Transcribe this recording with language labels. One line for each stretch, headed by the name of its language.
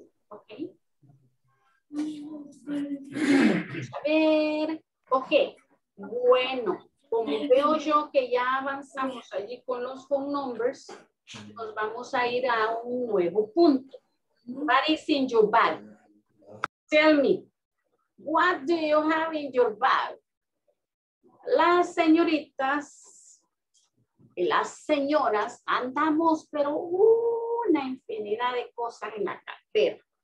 Spanish: Ok. A ver, ok, bueno, como veo yo que ya avanzamos allí con los phone numbers, nos vamos a ir a un nuevo punto.
English: What is in your bag? Tell me, what do you have in your bag?
Spanish: Las señoritas y las señoras andamos, pero una infinidad de cosas en la cartera.